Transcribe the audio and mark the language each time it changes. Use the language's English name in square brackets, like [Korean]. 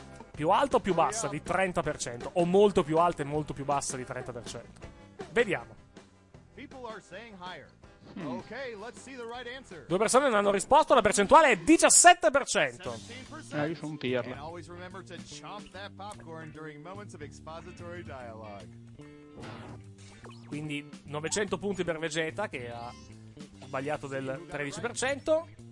[Italian] Più alto o più bassa di 30%? O molto più alta e molto più bassa di 30%? Vediamo. Due persone non hanno risposto, la percentuale è 17%. Io sono un pirla. [English] E always remember to chomp that popcorn during moments of expository dialogue. [Italian] Quindi 900 punti per Vegeta, che ha sbagliato del 13%.